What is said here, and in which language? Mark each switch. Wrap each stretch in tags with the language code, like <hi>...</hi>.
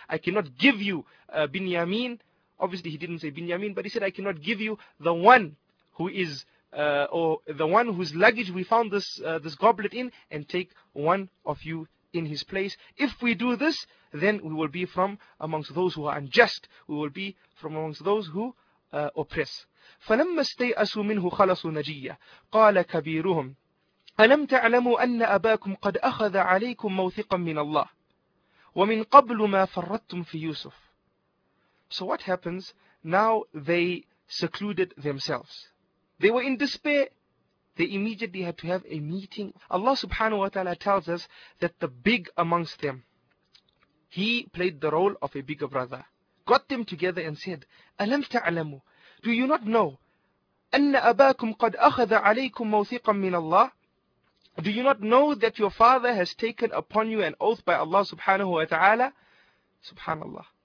<en>I cannot give you Binyamin. Obviously he didn't say Binyamin, but he said, I cannot give you the one who is whose luggage we found this goblet in, and take one of you in his place. If we do this, then we will be from amongst those who are unjust. We will be from amongst those who oppress.</en> <ar>فلما استيأسوا منه خلصوا نجية قال كبيرهم ألم تعلموا أن أباكم قد أخذ عليكم موثقا من الله ومن قبل ما فردتم في يوسف.</ar> <en>So what happens now? They secluded themselves. They were in despair. They immediately had to have a meeting. Allah subhanahu wa ta'ala tells us that the big amongst them, he played the role of a bigger brother, got them together and said,</en> <ar>ألم تعلموا,</ar> <en>do you not know,</en> <ar>أَنَّ أَبَاكُمْ قَدْ أَخَذَ عَلَيْكُمْ مَوْثِقًا مِّنَ اللَّهِ,</ar> <en>do you not know that your father has taken upon you an oath by Allah subhanahu wa ta'ala? Subhanallah.</en>